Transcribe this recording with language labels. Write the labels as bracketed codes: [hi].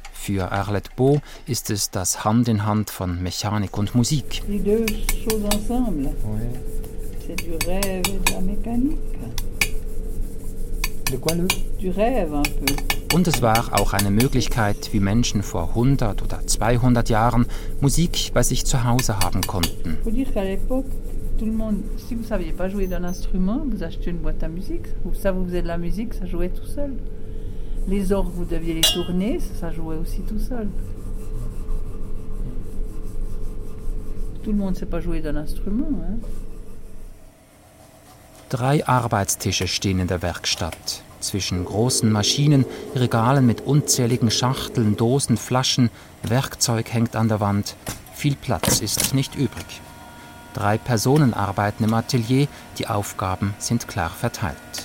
[de] Für Arlet Bo ist es das Hand in Hand von Mechanik und Musik. [fr] Les deux choses ensemble. Ouais. C'est du rêve et de la mécanique. De quoi le? Du rêve un peu. [de] Und es war auch eine Möglichkeit, wie Menschen vor 100 oder 200 Jahren Musik bei sich zu Hause haben konnten. [fr] Il faut dire qu'à l'époque, tout le monde, si vous ne saviez pas jouer d'un instrument, vous achetez une boîte à musique. Ça, vous faisiez de la musique, ça jouait tout seul. Les orgues, vous deviez les tourner, ça jouait aussi tout seul. Tout le monde ne sait pas jouer d'un instrument, hein? [de] Drei Arbeitstische stehen in der Werkstatt. Zwischen großen Maschinen, Regalen mit unzähligen Schachteln, Dosen, Flaschen, Werkzeug hängt an der Wand. Viel Platz ist nicht übrig. Drei Personen arbeiten im Atelier, die Aufgaben sind klar verteilt.